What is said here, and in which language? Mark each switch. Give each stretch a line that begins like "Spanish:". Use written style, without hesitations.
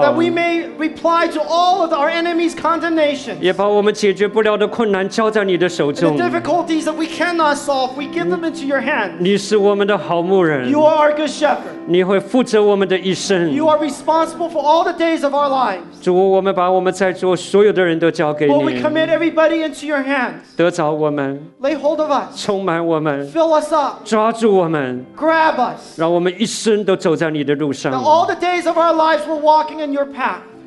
English: that we may reply to all of our enemies' condemnations,
Chinese: 也把我们解决不了的困难交在你的手中，
English: the difficulties that we cannot solve, we give them into your hands.
Chinese: 你是我们的好牧人，
English: you are our good shepherd,
Chinese: 你会负责我们的一生，
English: you are responsible for all the days of our lives.
Chinese: 主，我们把我们在座所有的人都交给你，
English: Lord, we commit everybody into your hands.
Chinese: 得着我们，
English: lay hold of us,
Chinese: 充满我们，
English: fill us up,
Chinese: 抓住我们。
English: Grab us.
Chinese: 让我们一生都走在你的路上。
English: All the days of our lives, we're walking in your path.